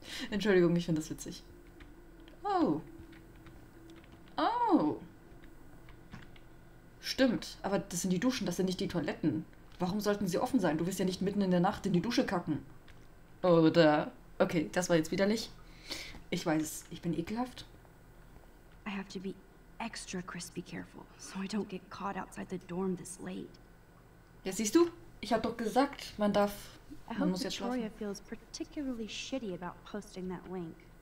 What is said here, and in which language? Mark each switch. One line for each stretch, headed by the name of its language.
German: Entschuldigung, ich finde das witzig. Oh. Oh. Stimmt, aber das sind die Duschen, das sind nicht die Toiletten. Warum sollten sie offen sein? Du wirst ja nicht mitten in der Nacht in die Dusche kacken. Oder? Okay, das war jetzt widerlich. Ich weiß, ich bin ekelhaft.
English: I have to be extra crispy careful, so I don't get caught outside the dorm this late.
German: Ja, siehst du? Ich habe doch gesagt, man darf,
English: I
German: man muss jetzt schlafen.
English: Victoria feels particularly shitty about posting that link.